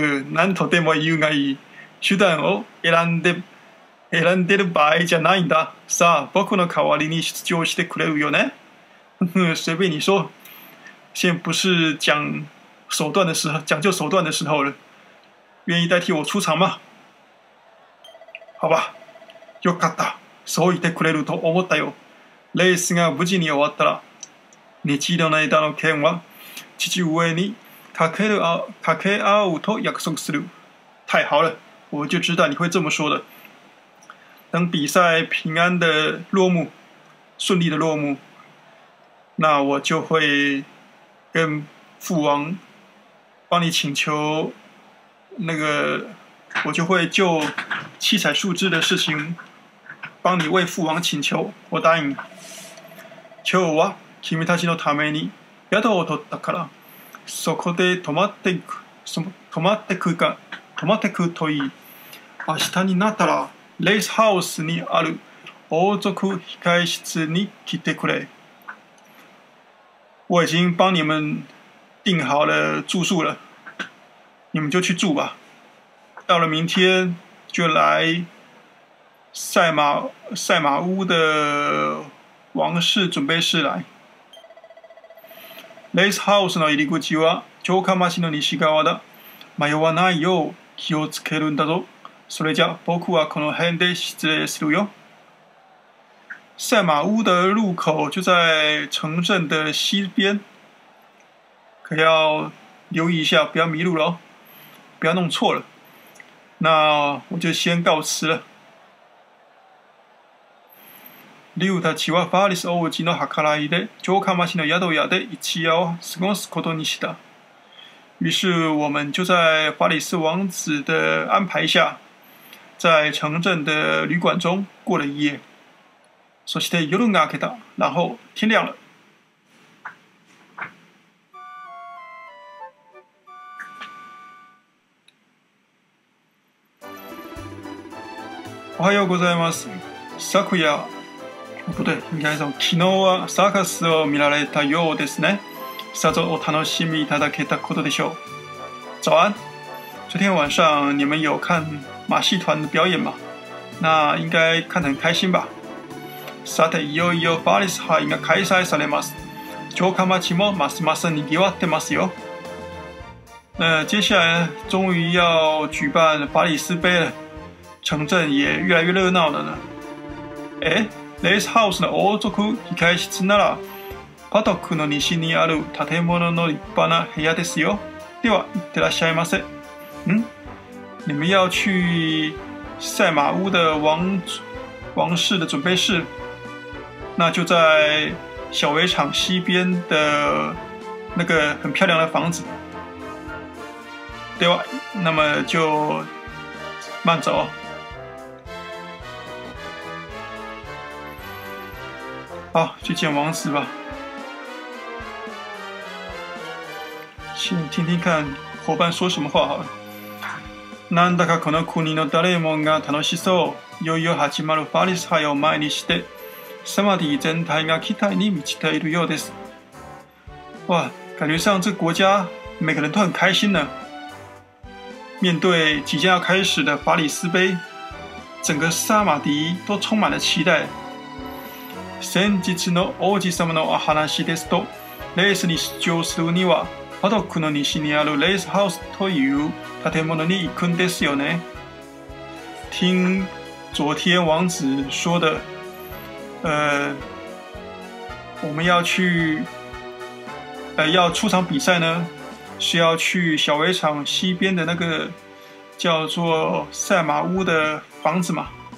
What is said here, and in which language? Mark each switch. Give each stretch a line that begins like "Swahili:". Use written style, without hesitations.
Japanese: なんとでも言うがいい。手段を選んでる場合じゃないんだ。さあ、僕の代わりに出場してくれるよね？
Chinese: 随便你说。现在不是讲手段的时候，讲究手段的时候了。愿意代替我出场吗？好吧。
Japanese: よかった。そう言ってくれると思ったよ。レースが無事に終わったら、日色の枝の剣は父上にかけ合うと約束する。
Chinese: 太好了。我就知道你会这么说的。等比赛平安的落幕，顺利的落幕，那我就会跟父王帮你请求，那个我就会就七彩树枝的事情帮你为父王请求。我答应。
Japanese: 今日は君たちのために宿を取ったから、そこで泊まってくといい。明日になったらレースハウスにある王族控え室に来てくれ。
Chinese: 我已经帮你们订好了住宿了，你们就去住吧。到了明天就来赛马屋的王室准备室来。
Japanese: レースハウスの入り口は城下町の西側だ。迷わないよう気をつけるんだぞ。それじゃ僕はこの辺で失礼するよ。
Chinese: 赛马屋的入口就在城镇的西边，可要留意一下，不要迷路了，不要弄错了。那我就先告辞了。
Japanese: 龍たちはファリス王子の計らいで城下町の宿屋で一夜を過ごすことにした。
Chinese: 于是我们就在法里斯王子的安排下，在城镇的旅馆中过了一夜。
Japanese: そして夜が明けた，
Chinese: 然后天亮了。
Japanese: おはようございます。昨夜、
Chinese: 不对，应该说
Japanese: 昨日はサーカスを見られたようですね。さぞお楽しみいただけたことでしょう。
Chinese: 早安，昨天晚上你们有看马戏团的表演吗？那应该看得很开心吧。
Japanese: さて、いよいよファリス杯が開催されます。城下町もますます賑わってますよ。
Chinese: 接下来终于要举办法里斯杯了，城镇也越来越热闹了呢。
Japanese: え、レースハウスの王族控室なら、パドックの西にある建物の立派な部屋ですよ。では、行ってらっしゃいませ。
Chinese: 你们要去赛马屋的王室的准备室，那就在小围场西边的那个很漂亮的房子。对吧？那么就慢走。好，去见王子吧。先听听看伙伴说什么话好了。
Japanese: なんだかこの国の誰もが楽しそう。いよいよ始まるファリス杯を前にして、サマディ全体が期待に満ちているようです。
Chinese: 哇，感觉上这国家每个人都很开心呢。面对即将要开始的法里斯杯，整个サマディ都充满了期待。
Japanese: 先日の王子様のお話ですと、レースに出場するにはパドックの西にあるレースハウスという建物に行くんですよね。
Chinese: 听昨天王子说的，我们要去，要出场比赛呢，是要去小围场西边的那个叫做赛马屋的房子嘛。